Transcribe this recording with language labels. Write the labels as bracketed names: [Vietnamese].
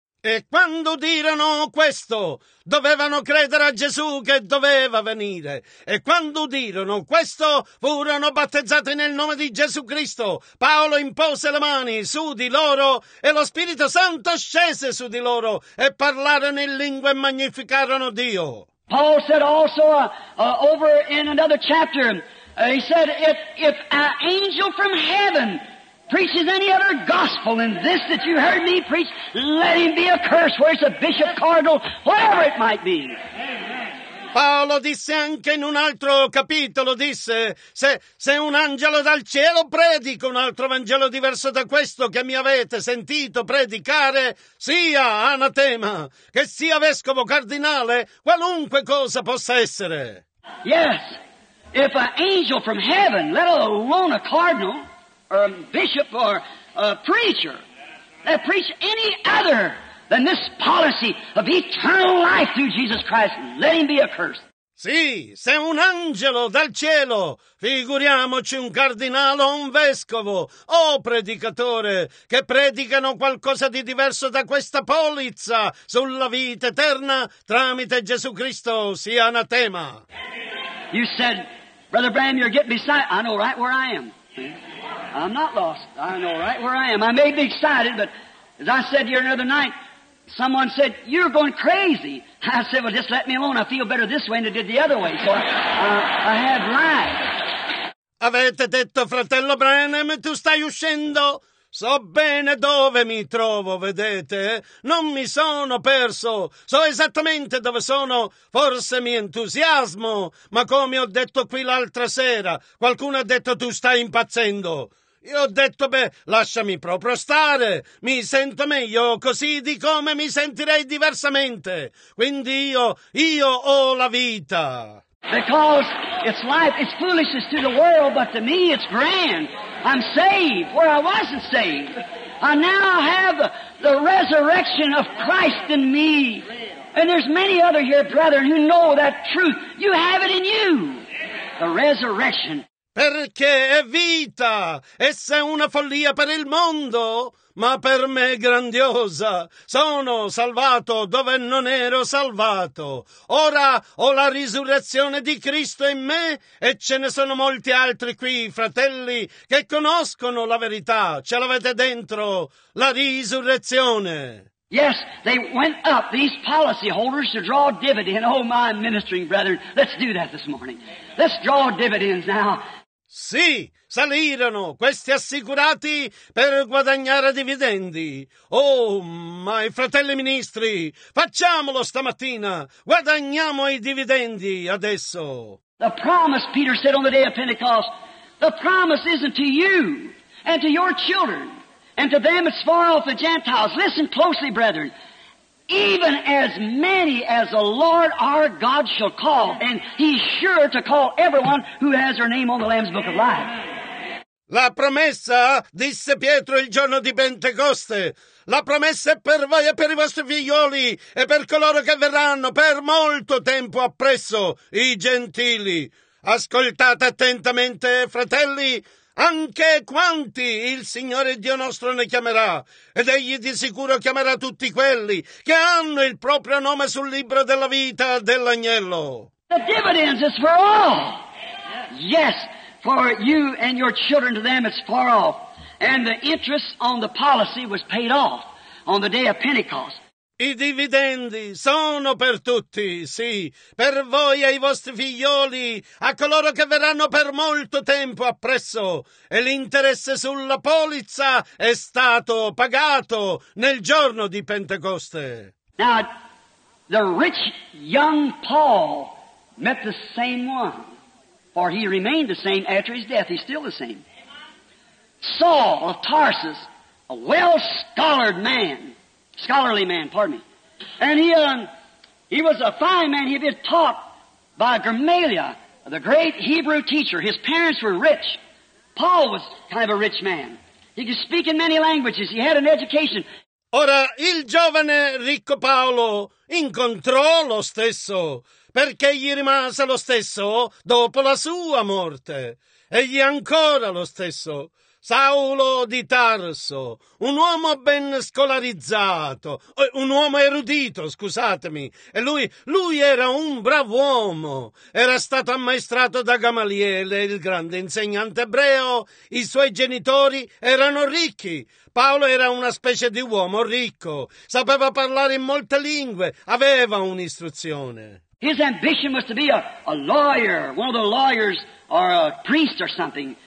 [Italian] E quando udirono questo, dovevano credere a Gesù che doveva venire. E quando udirono questo, furono battezzati nel nome di Gesù Cristo. Paolo impose le mani su di loro e lo Spirito Santo scese su di loro e parlarono in lingua e magnificarono Dio. [English] Paul said also over in another chapter, he said, if an angel from heaven preaches any other gospel than this that you heard me preach, let him be a curse, where's a bishop, cardinal, whatever it might be. [Italian] Paolo disse anche in un altro capitolo, disse, se un angelo dal cielo predica un altro Vangelo diverso da questo che mi avete sentito predicare, sia anatema, che sia vescovo, cardinale, qualunque cosa possa essere. [English] Yes, if an angel from heaven, let alone a cardinal, or a bishop, or a preacher, that preach any other than this policy of eternal life through Jesus Christ, let him be accursed. [Italian] Sì, se un angelo dal cielo, figuriamoci un cardinale o un vescovo, o predicatore, che predicano qualcosa di diverso da questa polizza sulla vita eterna tramite Gesù Cristo, sia anatema. [English] You said, Brother Bram, you're getting beside, I know right where I am. I'm not lost. I know right where I am. I may be excited, but as I said here the other night, someone said, you're going crazy. I said, well, just let me alone. I feel better this way than I did the other way. So I have lied. [Italian] Avete detto, fratello Branham, tu stai uscendo. So bene dove mi trovo, vedete? Non mi sono perso. So esattamente dove sono. Forse mi entusiasmo. Ma come ho detto qui l'altra sera, qualcuno ha detto tu stai impazzendo. Io ho detto, beh, lasciami proprio stare. Mi sento meglio così di come mi sentirei diversamente. Quindi io ho la vita. [English] Because it's life, it's foolishness to the world, but to me it's grand. I'm saved where I wasn't saved. I now have the resurrection of Christ in me. And there's many other here, brethren, who know that truth. You have it in you, the resurrection. [Italian] Perché è vita, essa è una follia per il mondo, ma per me è grandiosa. Sono salvato dove non ero salvato. Ora ho la risurrezione di Cristo in me e ce ne sono molti altri qui, fratelli, che conoscono la verità. Ce l'avete dentro, la risurrezione. [English] Yes, they went up, these policy holders, to draw dividend. Oh, my ministering brethren, let's do that this morning. Let's draw dividends now. [Italian] Sì, salirono questi assicurati per guadagnare dividendi. Oh, ma i fratelli ministri, facciamolo stamattina. Guadagniamo i dividendi adesso. [English] The promise, Peter said on the day of Pentecost, the promise isn't to you and to your children and to them as far off the Gentiles. Listen closely, brethren. Even as many as the Lord our God shall call, and he's sure to call everyone who has their name on the Lamb's Book of Life. [Italian] La promessa, disse Pietro il giorno di Pentecoste, la promessa è per voi e per i vostri figlioli e per coloro che verranno per molto tempo appresso, i gentili. Ascoltate attentamente, fratelli. Anche quanti il Signore Dio nostro ne chiamerà, ed egli di sicuro chiamerà tutti quelli che hanno il proprio nome sul libro della vita dell'agnello. [English] The dividends is for all. Yes, for you and your children to them it's far off. And the interest on the policy was paid off on the day of Pentecost. [Italian] I dividendi sono per tutti, sì, per voi e i vostri figlioli, a coloro che verranno per molto tempo appresso, e l'interesse sulla polizza è stato pagato nel giorno di Pentecoste. [English] Now, the rich young Paul met the same one, for he remained the same after his death, he's still the same. Saul of Tarsus, a well-scholared man, scholarly man, pardon me. And he was a fine man. He had been taught by Gamaliel, the great Hebrew teacher. His parents were rich. Paul was kind of a rich man. He could speak in many languages. He had an education. [Italian] Ora, il giovane ricco Paolo incontrò lo stesso, perché gli rimase lo stesso dopo la sua morte. Egli ancora lo stesso. Saulo di Tarso, un uomo ben scolarizzato, un uomo erudito, scusatemi. E lui era un bravo uomo. Era stato ammaestrato da Gamaliele, il grande insegnante ebreo. I suoi genitori erano ricchi. Paolo era una specie di uomo ricco. Sapeva parlare in molte lingue, aveva un'istruzione. [English] His ambition was to be a lawyer, one of the lawyers, or a priest or something.